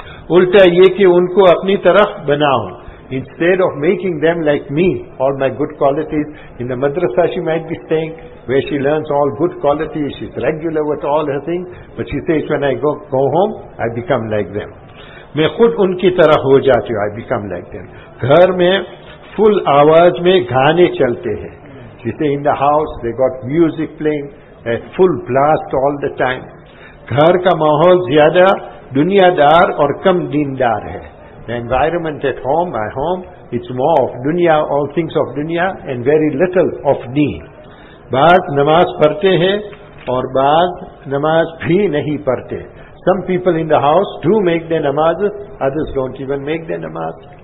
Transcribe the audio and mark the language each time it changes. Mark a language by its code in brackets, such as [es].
[ur] Ulta ye ki unko apni taraf banao. [en] Instead of making them like me, all my good qualities, in the madrasa she might be staying, where she learns all good qualities, she's regular with all her things, but she says, when I go home, I become like them. [ur] میں خود ان کی طرح ہو جاتی ہوں. [en] I become like them. [ur] گھر میں فل آواز میں گانے چلتے ہیں. [en] She say in the house they got music playing at full blast all the time. [ur] گھر کا ماحول زیادہ دنیا دار اور کم دیندار ہے. [en] The environment at home, my home, it's more of dunya, all things of dunya, and very little of deen. [ur] بعض نماز پڑھتے ہیں اور بعض نماز بھی نہیں پڑھتے. [en] Some people in the house do make their namazes, others don't even make their namaz.